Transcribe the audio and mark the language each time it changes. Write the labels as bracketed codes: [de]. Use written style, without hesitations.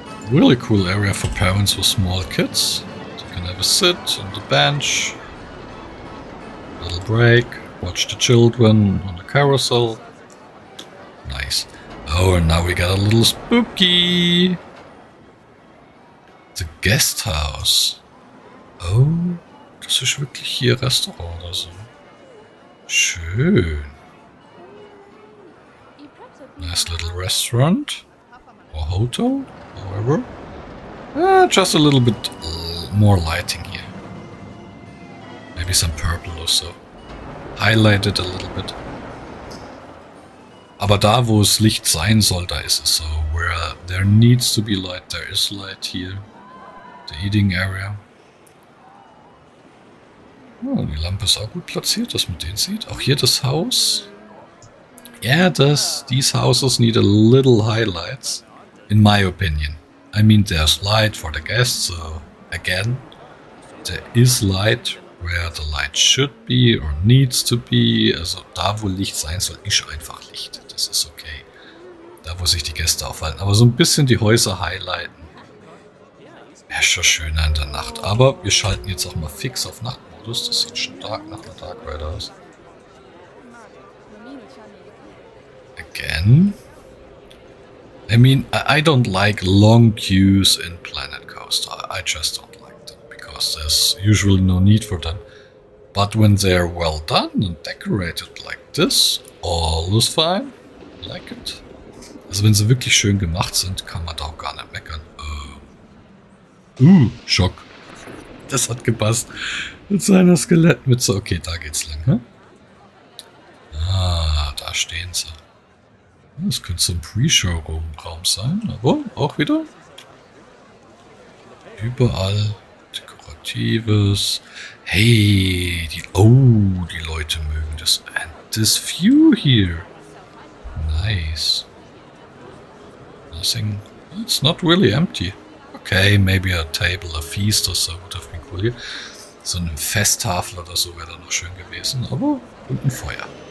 [en] Really cool area for parents with small kids. They can have a sit on the bench. Little break. Watch the children on the carousel. Nice. Oh, and now we got a little spooky. The guest house. [de] Oh, das ist wirklich hier Restaurant oder so. Schön. [en] Nice little restaurant. Or hotel, however. Just a little bit more lighting here. Maybe some purple or so. Highlighted a little bit. [de] Aber da, wo es Licht sein soll, da ist es so. [en] Where there needs to be light, there is light here. The eating area. [de] Oh, die Lampe ist auch gut platziert, dass man den sieht. Auch hier das Haus. [en] Yeah, these houses need a little highlights, in my opinion. I mean, there's light for the guests, so again, there is light where the light should be or needs to be. [de] Also da, wo Licht sein soll, ist einfach Licht. Das ist okay. Da, wo sich die Gäste aufhalten. Aber so ein bisschen die Häuser highlighten. Wäre schon schöner in der Nacht. Aber wir schalten jetzt auch mal fix auf Nachtmodus. Das sieht stark nach einer Dark Rider aus. [en] Again. I mean, I don't like long queues in Planet Coaster. I just don't like them, because there's usually no need for them. But when they're well done and decorated like this, all is fine. I like it. [de] Also wenn sie wirklich schön gemacht sind, kann man da auch gar nicht meckern. Schock. Das hat gepasst. Mit seiner Skelettmütze. Okay, da geht's lang, hä? Ah, da stehen sie. Das könnte so ein Pre-Show-Raum sein, aber auch wieder. Überall Dekoratives. Hey, die Leute mögen das. [en] And this view here. Nice. Nothing. It's not really empty. Okay, maybe a table, a feast or so would have been cool here. [de] So eine Festtafel oder so wäre da noch schön gewesen, aber und ein Feuer.